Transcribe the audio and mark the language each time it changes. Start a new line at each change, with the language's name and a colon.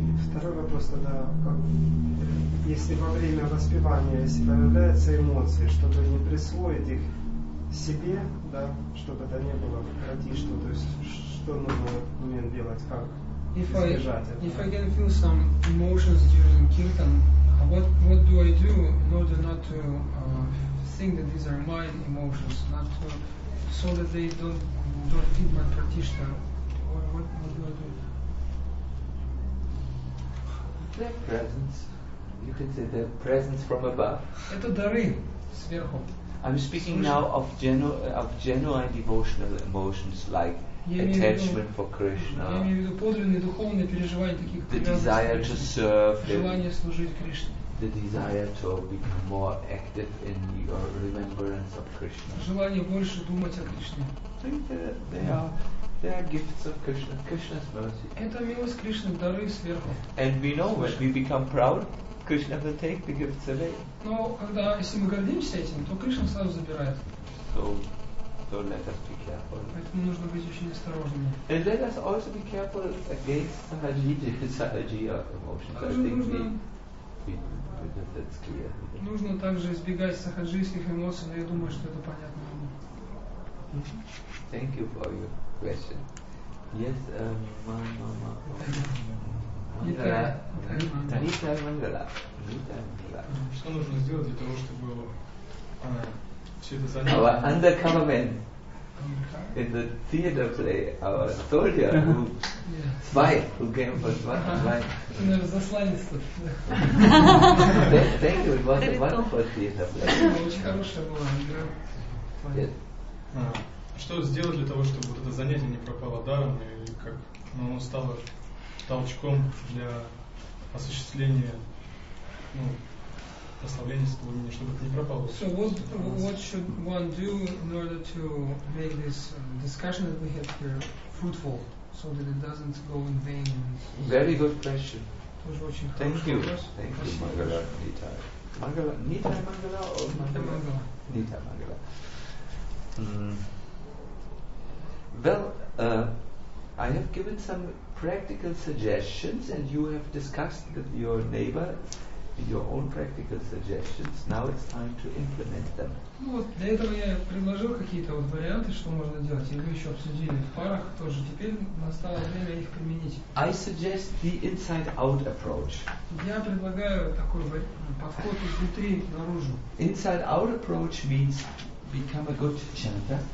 Russian: Второй вопрос тогда, если во время воспевания, если появляются эмоции, чтобы не присвоить их себе, да, чтобы это не было хаотично, то есть что нужно в этот момент делать, как избежать этого?
English: If I can feel some emotions during kirtan, what do I do in order not to think that these are my emotions, not to, so that they don't feed my pratishtha. What do I do? Their presence. You can say their presence from above.
Russian: Это дары сверху.
English: I'm speaking now of genuine devotional emotions like attachment for Krishna.
Russian: Я имею в виду подлинные духовные переживания таких.
English: The desire to serve.
Russian: Желание служить Кришне.
English: The desire to become more active in your remembrance of Krishna.
Russian: Желание больше думать о Кришне.
English: They are gifts of Krishna. Krishna's mercy.
Russian: Это милость Кришны, дары сверху.
English: And we know when we become proud, Krishna will take the gifts away.
Russian: Но когда если мы гордимся этим, то Кришна сразу забирает.
English: So let us be careful.
Russian: Поэтому нужно быть очень осторожными.
English: And let us also be careful against the energy of emotions. That's clear.
Russian: Нужно также избегать сахаджийских эмоций, но я думаю, что это понятно.
English: Thank you for your question. Yes, Mangala. Nita Mangala.
Russian: Что нужно сделать для того, чтобы все это занято?
English: Our undercover man in the theater play, our soldier who spy who came for spy.
Russian: Засланец.
English: Thank you. It was a wonderful theater play.
Russian: Очень хорошая была игра. Что сделать для того, чтобы это занятие не пропало даром и как оно стало толчком для осуществления
English: So what should one do in order to make this discussion that we have here fruitful, so that it doesn't go in vain? Very good question. Thank you. Mangala Nita. Well, I have given some practical suggestions, and you have discussed with your neighbor your own practical suggestions. Now it's time to implement them.
Russian: Вот для этого я предложил какие-то вот варианты, что можно делать, и вы еще обсудили в парах тоже. Теперь настало время их применить.
English: I suggest the inside-out approach.
Russian: Я предлагаю такой подход изнутри наружу.
English: Inside-out approach means become a good chanter.